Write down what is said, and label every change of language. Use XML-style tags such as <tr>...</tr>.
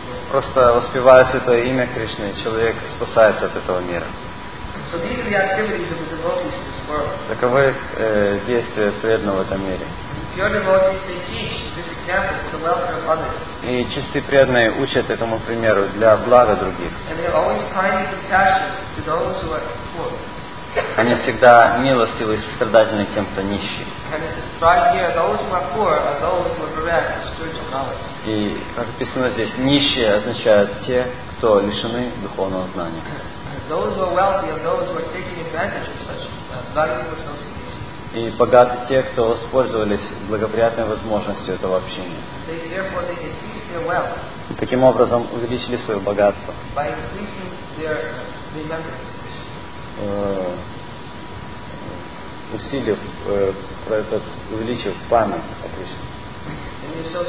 <ru>Просто воспевая Святое имя Кришны, человек спасается от этого мира.</ru> <en>So these are the activities of the devotees in this world.</en> <ru>Таковы действия преданного в этом мире.</ru> <en>Pure devotees, they teach this example for the welfare of others.</en> <ru>И чистые преданные учат этому примеру для блага других.</ru> <en>And they are always kind and compassionate to those who are poor.</en> <ru>Они всегда милостивы и сострадательны тем, кто нищий.</ru> <en>And it is described here, those who are poor are those who are bereft of spiritual knowledge.</en> <ru>И как написано здесь, нищие означают те, кто лишены духовного знания.</ru> <en>Those who are wealthy are those who are taking advantage of such valuable associations.</en> <ru>И богаты те, кто воспользовались благоприятной возможностью этого общения.</ru> <en>They therefore they increased their wealth.</en> <ru>И таким образом увеличили свое богатство.</ru> <en>By increasing their remembrance.</en> <ru>Усилив этот увеличив память о Кришне.</ru>